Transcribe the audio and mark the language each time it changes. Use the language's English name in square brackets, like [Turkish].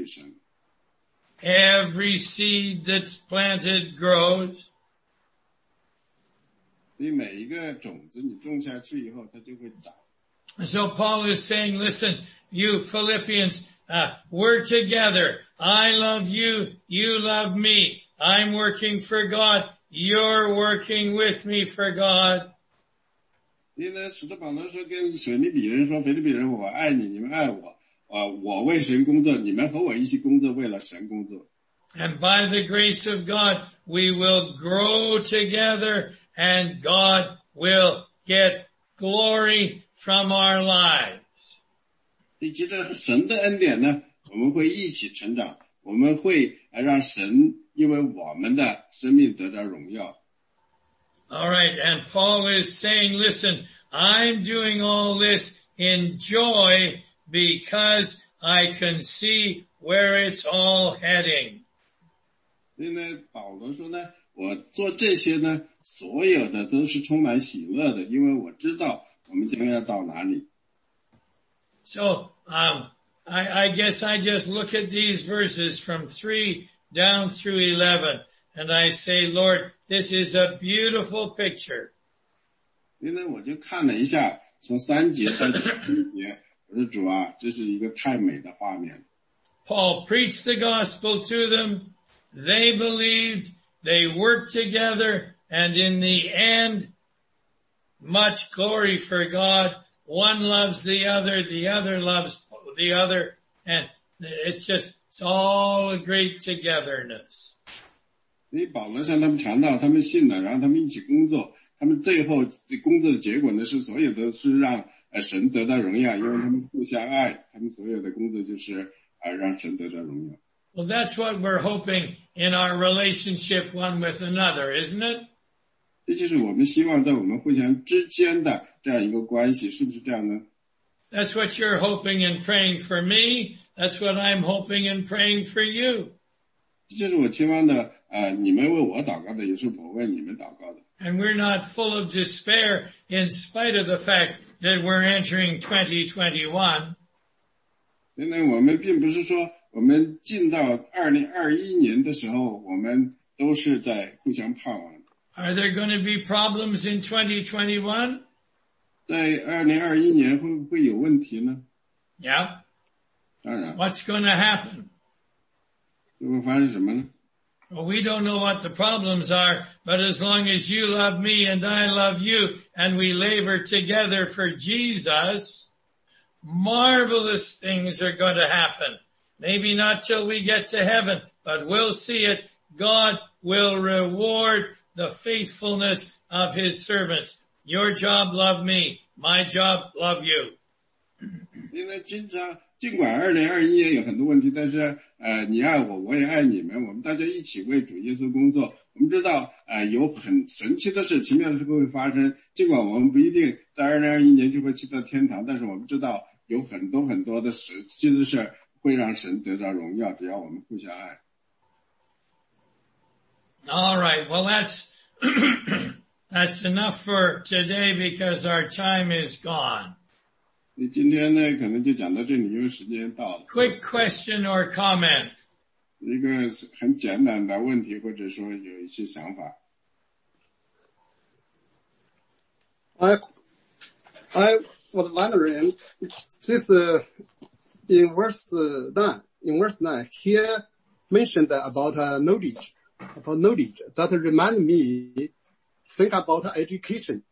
[Chinese] 如果你那个结满了仁义的果子呢，你就会叫荣耀称赞归于神。 [English] Every seed that's planted grows. [Chinese] 你每一个种子你种下去以后，它就会长。 [English] So Paul is saying, listen, you Philippians, we're together. I love you, you love me. I'm working for God You're working with me for God. [Chinese] 因为使徒保罗说跟腓立比人说，腓立比人，我爱你，你们爱我，我为神工作，你们和我一起工作，为了神工作。 [English] And by the grace of God, we will grow together, and God will get glory from our lives. [Chinese] 藉着神的恩典呢，我们会一起成长，我们会让神因为我们的生命得到荣耀。 [English] All right, and Paul is saying, listen, I'm doing all this in joy because I can see where it's all heading. [Chinese] 因为保罗说呢，我做这些呢，所有的都是充满喜乐的，因为我知道我们将要到哪里。 [English] So, I guess I just look at these verses from 3 down through 11. And I say, Lord, this is a beautiful picture. [Chinese] 因为我就看了一下，从三节到九节，我说主啊，这是一个太美的画面。 [English] Paul preached the gospel to them. They believed. They worked together. And in the end, much glory for God. One loves the other. The other loves the other. And it's all a great togetherness. [Chinese] 因为保罗向他们传道，他们信了，然后他们一起工作，他们最后工作的结果呢，是所有的是让神得到荣耀，因为他们互相爱，他们所有的工作就是让神得到荣耀。 [English] Well, that's what we're hoping in our relationship one with another, isn't it? [Chinese] 这就是我们希望在我们互相之间的这样一个关系，是不是这样呢？ [English] That's what you're hoping and praying for me. That's what I'm hoping and praying for you. [Chinese] 这就是我期望的你们为我祷告的，也是我为你们祷告的。 [English] And we're not full of despair in spite of the fact that we're entering 2021. [Chinese] 因为我们并不是说我们进到2021年的时候，我们都是在互相盼望。 [English] Are there going to be problems in 2021? [Chinese] 在2021年会不会有问题呢？ [English] Yeah. [Chinese] 当然。 [English] What's going to happen? [Chinese] 就会发生什么呢？ [English] Well, we don't know what the problems are, but as long as you love me and I love you and we labor together for Jesus, marvelous things are going to happen. Maybe not till we get to heaven, but we'll see it. God will reward the faithfulness of his servants. Your job, love me. My job, love you. [Chinese] 因为经常尽管2021年有很多问题，但是你爱我，我也爱你们，我们大家一起为主耶稣工作。我们知道有很神奇的事，奇妙的事会发生。尽管我们不一定在2021年就会去到天堂，但是我们知道有很多很多的神奇的事会让神得到荣耀，只要我们互相爱。 [English] All right, well that's enough for today because our time is gone. [Chinese] 今天呢可能就讲到这里，因为时间到了。 [English] Quick question or comment. [Chinese] 一个很简单的问题或者说有一些想法。 [English] I was wondering, since in verse 9, he mentioned about knowledge, that reminds me, think about education.